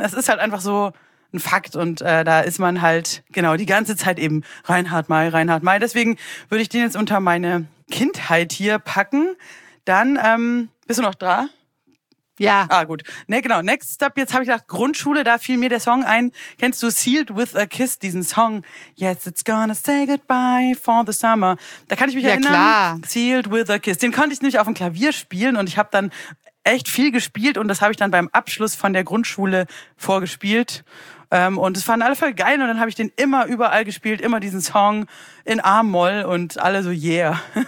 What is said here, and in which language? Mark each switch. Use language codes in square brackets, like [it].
[de] Es ist halt einfach so ein Fakt. Und da ist man halt genau die ganze Zeit eben Reinhard May, Reinhard May. Deswegen würde ich den jetzt unter meine Kindheit hier packen. Dann, bist du noch dran? Ja. Ah, gut. Ne, genau. Next Step, jetzt habe ich gedacht, Grundschule, da fiel mir der Song ein. Kennst du Sealed with a Kiss, diesen Song? [en] Yes, it's gonna say goodbye for the summer. [de] Da kann ich mich ja, erinnern. Klar. [en] Sealed with a Kiss. [de] Den konnte ich nämlich auf dem Klavier spielen und ich habe dann echt viel gespielt und das habe ich dann beim Abschluss von der Grundschule vorgespielt. Und es waren alle voll geil und dann habe ich den immer überall gespielt, immer diesen Song in A-Moll und alle so yeah.